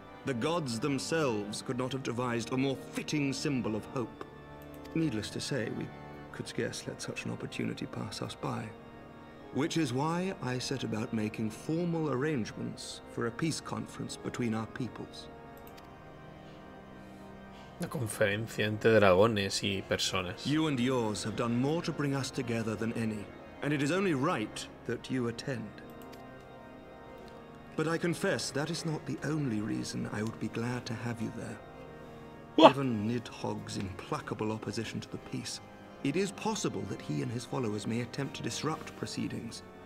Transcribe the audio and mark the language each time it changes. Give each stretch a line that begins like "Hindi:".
English: The gods themselves could not have devised a more fitting symbol of hope. Needless to say, we could scarce let such an opportunity pass us by. Which is why I set about making formal arrangements for a peace conference between our peoples.
Spanish: Una conferencia entre dragones y personas.
English: You and yours have done more to bring us together than any, and it is only right that you attend. But I confess that is not the only reason I would be glad to have you there. What? Given Nidhogg's implacable opposition to the peace, it is possible that he and his followers may attempt to disrupt proceedings.